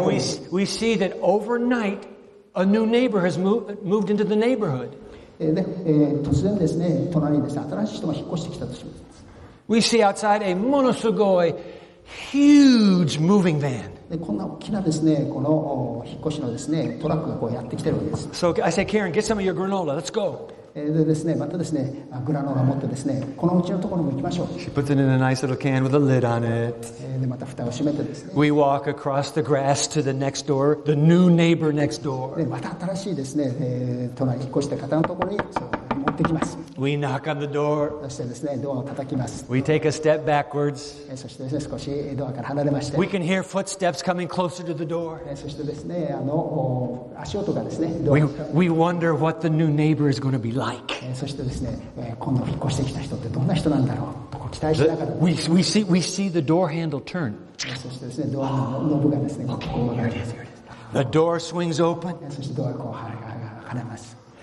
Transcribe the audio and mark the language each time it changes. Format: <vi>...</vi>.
<en>And we see that overnight a new neighbor has moved into the neighborhood.</en> <ja>突然ですね、隣にですね、新しい人が引っ越してきたとします。</ja> <en>We see outside a</en> <ja>ものすごい</ja> <en>huge moving van.</en> <ja>で、こんな大きなですね、この引っ越しのですね、トラックがこうやってきてるわけです。</ja> <en>So I say, Karen, get some of your granola. Let's go.</en> <ja>でですね、またですね、グラノーラ持ってですね、このうちのところも行きましょう。</ja> <en>She puts it in a nice little can with a lid on it.</en> <ja>で、また蓋を閉めてですね。</ja> <en>We walk across the grass to the next door, the new neighbor next door.</en> <ja>で、また新しいですね、隣引っ越した方のところに持ってきます。</ja> <en>We knock on the door.</en> <ja>そしてですね、ドアを叩きます。</ja> <en>We take a step backwards.</en> <ja>そしてですね、少しドアから離れまして。</ja> <en>We can hear footsteps coming closer to the door.</en> <ja>そしてですね、足音がですね、ドア。</ja> <en>We wonder what the new neighbor is going to be like.</en> <ja>そしてですね、今度引っ越してきた人ってどんな人なんだろう。とこう期待しながら。</ja> <en>We see the door handle turn.</en> <ja>そしてですね、ドアのノブがですね、こう曲がる。</ja> <en>The door swings open.</en> <ja>そしてドアこう離れます。</ja>